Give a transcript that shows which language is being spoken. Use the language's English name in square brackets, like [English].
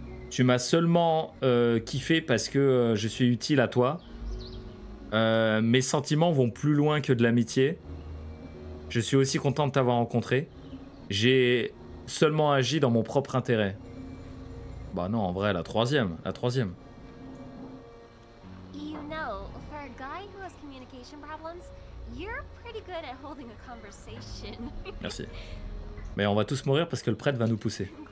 [French] Tu m'as seulement kiffé parce que je suis utile à toi. Mes sentiments vont plus loin que de l'amitié. Je suis aussi content de t'avoir rencontré. J'ai seulement agi dans mon propre intérêt. Bah non, en vrai, la troisième. [English] You know, for a guy who has communication problems, you're pretty good at holding a conversation. [French] Merci. Mais on va tous mourir parce que le prêtre va nous pousser.